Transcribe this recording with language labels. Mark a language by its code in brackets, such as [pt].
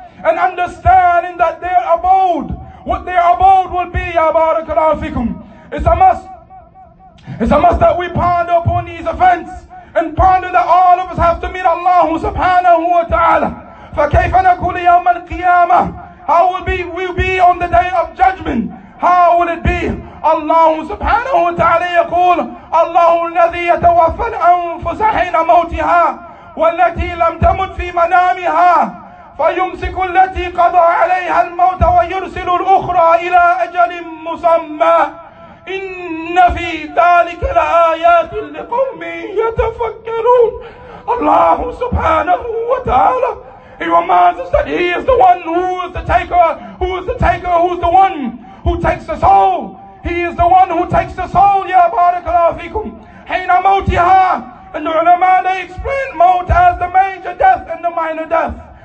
[en] And understanding that their abode, what their abode will be, [ar] ya barakallahu fikum. [en] It's a must. It's a must that we ponder upon these events and ponder that all of us have to meet Allah subhanahu wa ta'ala. [ar] فَكَيْفَ نَكُلِ يَوْمَ الْقِيَامَةِ. [en] How will be we be on the day of judgment? How will it be? [ar] Allah subhanahu wa ta'ala يقول الله الذي يتوفى الأنفس حين موتها والتي لم تمت في منامها فيمسك التي قضى عليها الموت ويرسل الأخرى إلى أجل مسمى إن في ذلك لآيات لقوم يتفكرون. الله سبحانه وتعالى. [en] He reminds us that he is the one who is the taker, who is the taker, who is the one who takes the soul. He is the one who takes the soul. [ar] يا بارك الله فيكم. حين موتها. [en] And the ulama, they explain موت as the major death and the minor death.